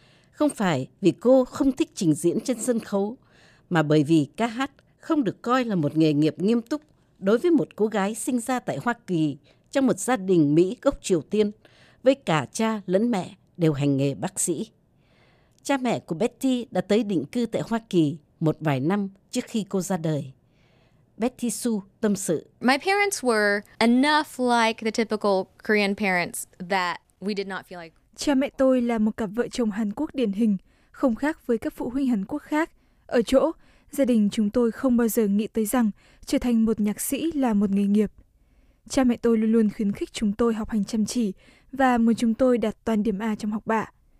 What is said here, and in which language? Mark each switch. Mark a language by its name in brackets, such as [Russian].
[Vietnamese] Không phải vì cô không thích trình diễn trên sân khấu, mà bởi vì ca hát không được coi là một nghề nghiệp nghiêm túc đối với một cô gái sinh ra tại Hoa Kỳ trong một gia đình Mỹ gốc Triều Tiên, với cả cha lẫn mẹ đều hành nghề bác sĩ. Cha mẹ của Patti đã tới định cư tại Hoa Kỳ một vài năm trước khi cô ra đời. Patti Sue tâm sự: [English] My parents were enough like the typical Korean parents that we did not feel like. [Vietnamese] Cha mẹ tôi là một cặp vợ chồng Hàn Quốc điển hình, không khác với các phụ huynh Hàn Quốc khác. Ở chỗ, gia đình chúng tôi không bao giờ nghĩ tới rằng trở thành một nhạc sĩ là một nghề nghiệp. Cha mẹ tôi luôn luôn khuyến khích chúng tôi học hành chăm chỉ và muốn chúng tôi đạt toàn điểm A trong học bạ.